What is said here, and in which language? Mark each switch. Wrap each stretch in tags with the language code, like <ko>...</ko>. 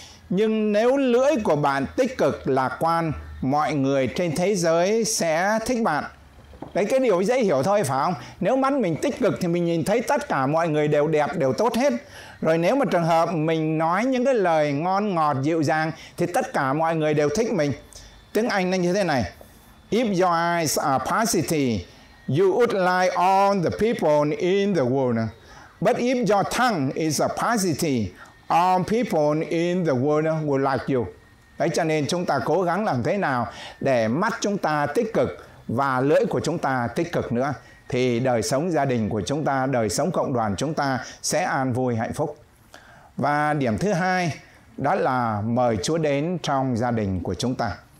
<vi>Nhưng nếu lưỡi của bạn tích cực lạc quan, mọi người trên thế giới sẽ thích bạn. Đấy, cái điều dễ hiểu thôi, phải không? Nếu mắt mình tích cực thì mình nhìn thấy tất cả mọi người đều đẹp, đều tốt hết. Rồi nếu mà trường hợp mình nói những cái lời ngon ngọt, dịu dàng thì tất cả mọi người đều thích mình. Tiếng Anh nó như thế này.</vi> <en>If your eyes are positive, you would lie on the people in the world. But if your tongue is a positive, all people in the world will like you.</en> <vi>Đấy, cho nên chúng ta cố gắng làm thế nào để mắt chúng ta tích cực và lưỡi của chúng ta tích cực nữa, thì đời sống gia đình của chúng ta, đời sống cộng đoàn chúng ta sẽ an vui hạnh phúc. Và điểm thứ hai, đó là mời Chúa đến trong gia đình của chúng ta.</vi>